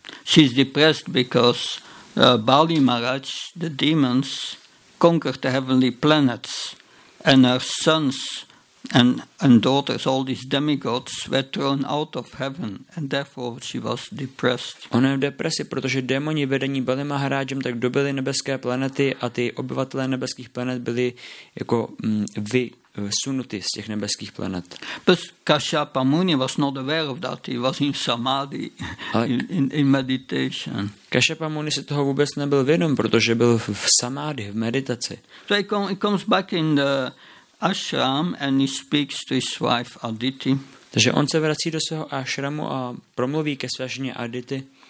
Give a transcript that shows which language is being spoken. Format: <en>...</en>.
<en>She's depressed because Bali Maharaj, the demons, conquered the heavenly planets and her sons and daughters, all these demigods were thrown out of heaven and therefore she was depressed.</en> <cs>Ona je v depresi, protože démoni vedení Bali Maharajem tak dobili nebeské planety a ty obyvatelé nebeských planet byli jako vysunuty z těch nebeských planet.</cs> <en>But Kashyapa Muni was not aware of that. He was in samadhi, in meditation.</en> <cs>Kashyapa Muni se toho vůbec nebyl vědom, protože byl v samadhi, v meditaci.</cs> <en>So he comes back in the ashram and he speaks to his wife Aditi.</en> <cs>Takže on se vrací do svého ashramu a promluví ke své ženě Aditi.</cs>